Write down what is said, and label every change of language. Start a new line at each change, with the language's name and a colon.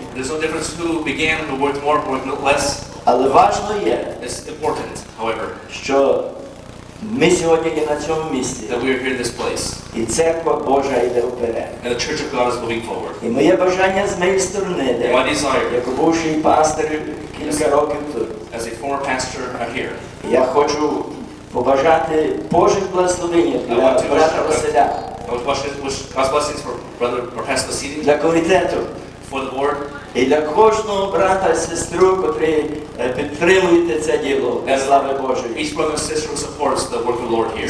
English: There's no difference who began, who worked more, who worked less.
Ukrainian: Але важливо є.
English: It's important, however.
Ukrainian: Що ми сьогодні є на цьому місці.
English: That we are here in this place.
Ukrainian: І церква Божа йде вперед.
English: And the church of God is moving forward.
Ukrainian: І моє бажання з моєї сторони,
English: my desire.
Ukrainian: Як бувший пастор кілька років тут.
English: As a former pastor, I'm here.
Ukrainian: Я хочу побажати Божих благословень для брата Василя.
English: I would wish God's blessings for brother Professor Vasily.
Ukrainian: Для комітету.
English: For the board.
Ukrainian: І для кожного брата і сестру, котрі підтримуєте це діло. Для слави Божої.
English: Each brother and sister supports the work of the Lord here.